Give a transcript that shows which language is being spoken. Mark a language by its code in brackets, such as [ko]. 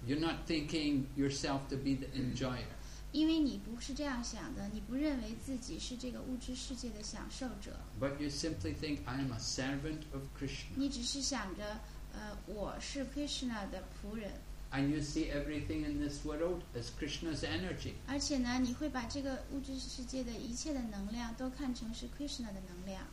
[en] You're not thinking yourself to be the enjoyer. [zh] 因为你不是这样想的, 你不认为自己是这个物质世界的享受者。 [en] But you simply think, I am a servant of Krishna. [zh] 你只是想着, 我是Krishna的仆人。 [en] And you see everything in this world as Krishna's energy. [zh] 而且呢, 你会把这个物质世界的一切的能量都看成是 Krishna的能量。